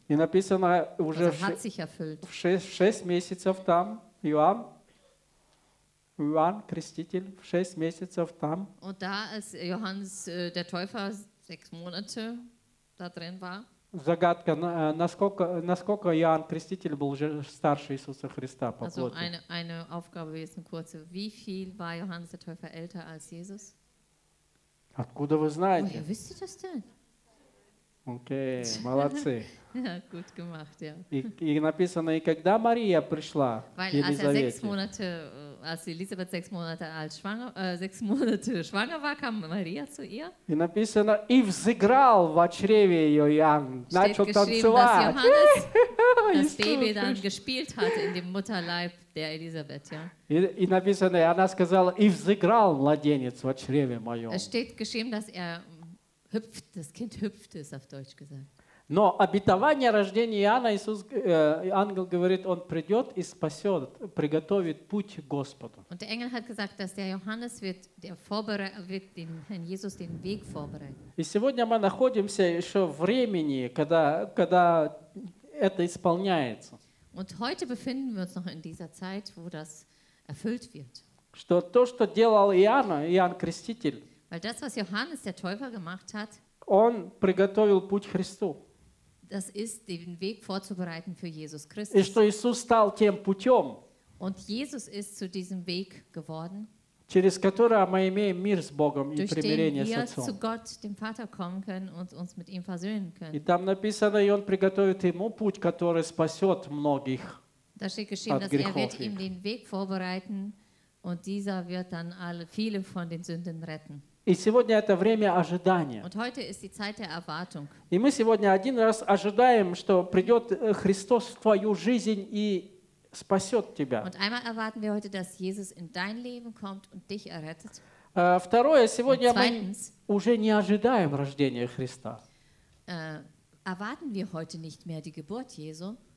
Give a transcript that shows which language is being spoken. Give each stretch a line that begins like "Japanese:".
Russian: И написано уже
German: also hat sich erfüllt.
Russian: В 6 месяцев там Иоанн, Иоанн, Креститель, в 6 месяцев там.
German: Und da, als Johannes, der Täufer, 6 Monate da drin war.
Russian: Загадка, насколько Иоанн Креститель был уже старше Иисуса Христа по плоти?
German: Also eine Aufgabe ist eine kurze. Wie viel war Johannes der Täufer älter als Jesus?
Russian: Откуда вы знаете?
German: Woher wisst ihr das denn?
Russian: Okay, молодцы.
German: Gut gemacht, ja.
Russian: И написано, и когда Мария пришла к Елизавете.
German: Als Elisabeth sechs Monate schwanger war, kam Maria zu ihr.
Russian: И написано, и взыграл в чреве ее Иоанн, начал танцевать.
German: Das Baby dann gespielt hat in dem Mutterleib der Elisabeth, ja.
Russian: И написано, и она сказала, и взыграл младенец в чреве моем.
German: Es steht geschrieben, dass er hüpft, das Kind hüpfte, ist auf Deutsch gesagt.
Russian: Но обетование рождения Иоанна, Иисус, ангел говорит, он придет и спасет, приготовит путь Господу.
German: Und der Engel hat gesagt, dass der Johannes wird den Herrn Jesus den Weg vorbereiten.
Russian: И сегодня мы находимся еще в времени, когда это исполняется.
German: Und heute befinden wir uns noch in dieser Zeit, wo das erfüllt wird.
Russian: Что то, что делал Иоанн Креститель.
German: Weil das, was Johannes der Täufer gemacht hat,
Russian: он приготовил путь Христу.
German: Das ist den Weg vorzubereiten für Jesus Christus.
Russian: И что Иисус стал тем путем.
German: Und Jesus ist zu diesem Weg geworden.
Russian: Через который мы имеем мир с Богом и примирение с Отцом.
German: Durch den wir zu Gott, dem Vater, kommen können und uns mit ihm versöhnen können.
Russian: И там написано, и он приготовит ему путь, который спасет многих от грехов.
German: Da steht geschrieben, dass er wird ihm den Weg vorbereiten und dieser wird dann alle viele von den Sünden retten.
Russian: И сегодня это время ожидания.
German: Und heute ist die Zeit der Erwartung.
Russian: И мы сегодня один раз ожидаем, что придет Христос в твою жизнь и спасет тебя.
German: Und einmal erwarten wir heute, dass Jesus in dein Leben kommt und dich errettet.
Russian: Второе, сегодня
German: zweitens,
Russian: мы уже не ожидаем рождения Христа.
German: Erwarten wir heute nicht mehr die Geburt Jesu.